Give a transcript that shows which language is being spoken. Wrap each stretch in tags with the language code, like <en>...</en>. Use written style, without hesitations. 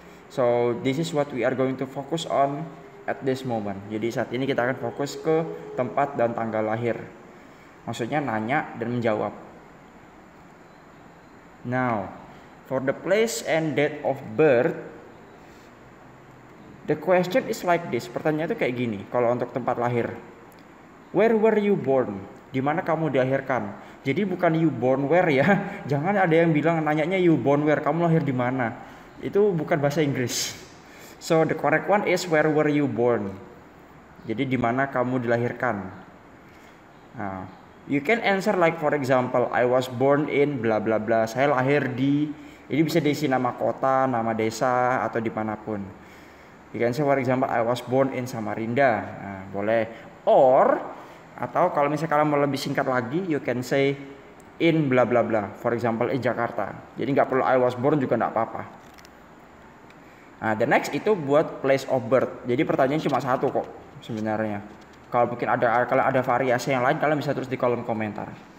<en>So, this is what we are going to focus on at this moment.</en> <id>Jadi, saat ini kita akan fokus ke tempat dan tanggal lahir. Maksudnya, nanya dan menjawab.</id> <en>Now, for the place and date of birth, the question is like this.</en> <id>Pertanyaan itu kayak gini, kalau untuk tempat lahir.</id> <en>Where were you born?</en> <id>Di mana kamu dilahirkan? Jadi, bukan</id> <en>you born where</en> <id>ya. Jangan ada yang bilang, nanyanya you born where. Kamu lahir di mana? Itu bukan bahasa Inggris.</id> <en>So the correct one is where were you born.</en> <id>Jadi di mana kamu dilahirkan. Nah,</id> <en>you can answer like for example, I was born in bla bla bla.</en> <id>Saya lahir di. Ini bisa diisi nama kota, nama desa atau dimanapun.</id> <en>You can say for example, I was born in Samarinda.</en> <id>Nah, boleh. Or atau kalau misalnya kalian mau lebih singkat lagi,</id> <en>you can say in bla bla bla. For example, in Jakarta.</en> <id>Jadi nggak perlu</id> <en>I was born</en> <id>juga nggak apa-apa. Nah,</id> <en>the next</en> <id>itu buat</id> <en>place of birth.</en> <id>Jadi pertanyaan cuma satu kok sebenarnya. Kalau mungkin ada kalau ada variasi yang lain, kalian bisa terus di kolom komentar.</id>